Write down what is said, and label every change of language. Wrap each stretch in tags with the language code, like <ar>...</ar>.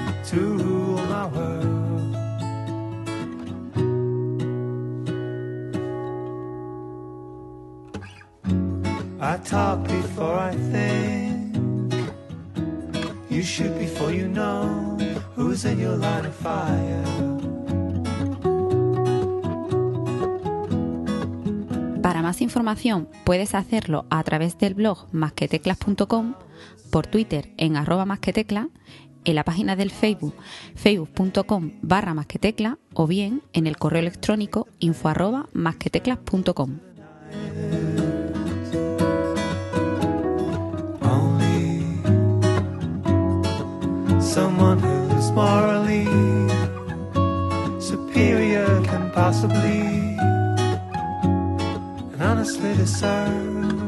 <en>To rule my world, I talk before I think. You shoot before you know who's in your line of fire.</en> <es>Para más información puedes hacerlo a través del blog másqueteclas.com, por Twitter en @másquetecla, en la página del Facebook, facebook.com/másquetecla, o bien en el correo electrónico info@másqueteclas.com.</es> <en>Only someone who's morally superior can possibly and honestly discern.</en>